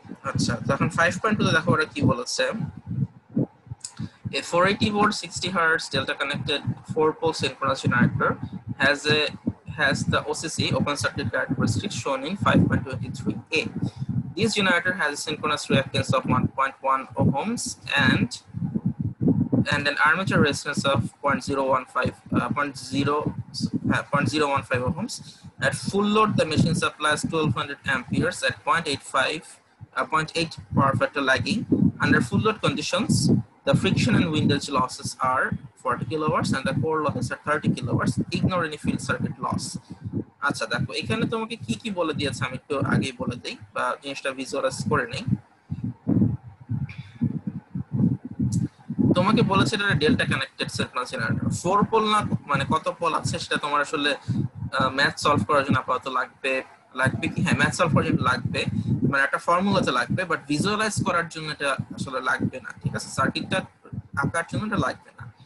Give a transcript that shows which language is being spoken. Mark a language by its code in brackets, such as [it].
[bn] আচ্ছা তো এখন 5.2 তে দেখো ওরা কি বলেছে, [en] A 480 volt 60 hertz delta connected 4 pole synchronous generator has a has the OCC open circuit characteristic shown in 5.23a. This generator has a synchronous reactance of 1.1 ohms and an armature resistance of 0.015 ohms. At full load, the machine supplies 1200 amperes at 0.8 power factor lagging. Under full load conditions, the friction and windage losses are 40 kilowatts and the core losses are 30 kilowatts. Ignore any field circuit loss. [bn] আচ্ছা দেখো এখানে তোমাকে কি কি বলে দিয়েছে আমি একটু আগেই বলে দেই, বা জিনিসটা ভিজুয়ালাইজ করে নেই। তোমাকে বলেছে এটা delta connected synchronous generator, 4 pole না মানে কত পোল আছে সেটা তোমার আসলে ম্যাথ সলভ করার জন্য আপাতত লাগবে, লাগবে কি, হ্যাঁ ম্যাথ সলভ করার জন্য লাগবে, মানে একটা ফর্মুলাতে লাগবে, বাট ভিজুয়ালাইজ করার জন্য এটা আসলে লাগবে না, ঠিক আছে, সার্কিটটা আঁকার জন্য এটা লাগবে না।